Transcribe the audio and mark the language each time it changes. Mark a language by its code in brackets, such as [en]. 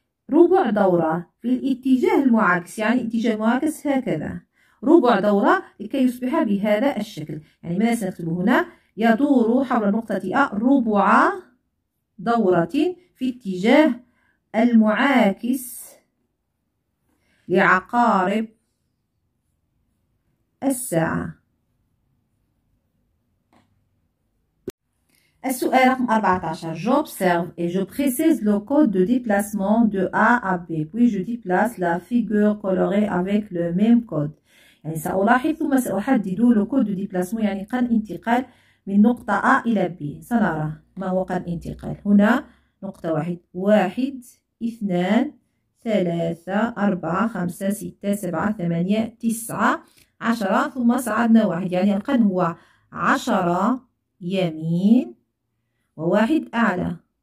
[ar] ربع دورة في الاتجاه المعاكس، يعني اتجاه معاكس هكذا ربع دورة لكي يصبح بهذا الشكل، يعني ماذا سنكتبه هنا؟ يدور حول نقطة A ربع دورة في اتجاه المعاكس لعقارب الساعة. السؤال رقم 14، [fr] j'observe et je précise le code de déplacement de A à B puis je déplace la figure colorée avec le même code. [ar] يعني سألاحظ ثم سأحدد [fr] لو كود دو ديبلاسمون، [ar] يعني قن انتقال من نقطة A إلى B. سنرى ما هو قن انتقال. هنا نقطة 1، 1 2 3 4 5 6 7 8 9 10، ثم صعدنا 1، يعني القن هو 10 يمين وواحد أعلى.